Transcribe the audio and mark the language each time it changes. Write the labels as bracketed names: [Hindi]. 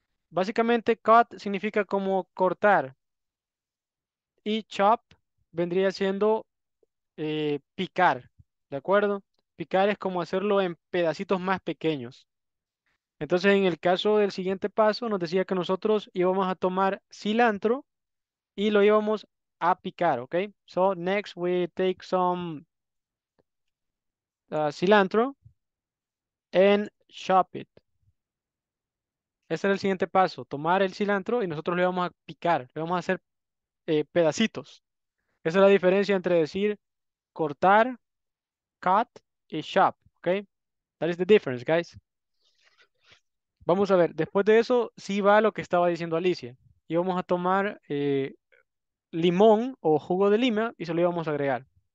[Spanish] Básicamente cut significa como cortar, y chop vendría siendo picar, ¿de acuerdo? Picar es como hacerlo en pedacitos más pequeños. Entonces, en el caso del siguiente paso, nos decía que nosotros íbamos a tomar cilantro y lo íbamos a picar, ¿ok? [English] So, next we take some cilantro and chop it. [Spanish] Ese era el siguiente paso, tomar el cilantro y nosotros lo íbamos a picar, lo íbamos a hacer pedacitos. Esa es la diferencia entre decir cortar, cut y chop, ¿ok? [English] That is the difference, guys. [Spanish] Vamos a ver, después de eso, sí va lo que estaba diciendo Alicia. Y vamos a tomar limón o jugo de lima y se lo íbamos a agregar.